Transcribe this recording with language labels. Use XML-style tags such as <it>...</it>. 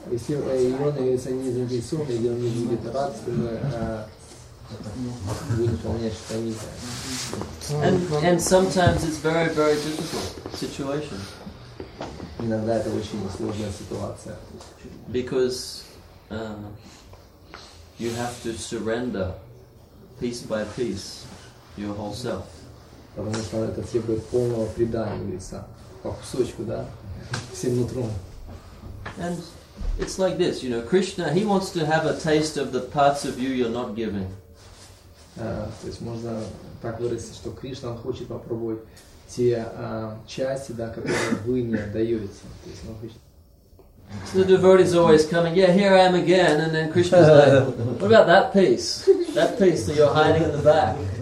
<ru>Если он если они занесут, и он не будет рад, то будет выполнять штанизм.</ru> <en>And sometimes it's very, very difficult situation.</en> <ru>Иногда это очень сложная ситуация.</ru> <en>Because you have to surrender piece by piece your whole self.</en> <ru>Потому что это требует полного предания лица. По кусочку, да? Всем нутром.</ru> <en>And it's like this, you know, Krishna, he wants to have a taste of the parts of you you're not giving.</en> <ru>То есть можно так выразиться, что Кришна хочет попробовать те части, да, которые вы не отдаете. То есть, ну,</ru> <en>So the devotee is always coming, yeah, here I am again, and then Krishna's like, what about that piece? That piece that you're hiding in the back.</en>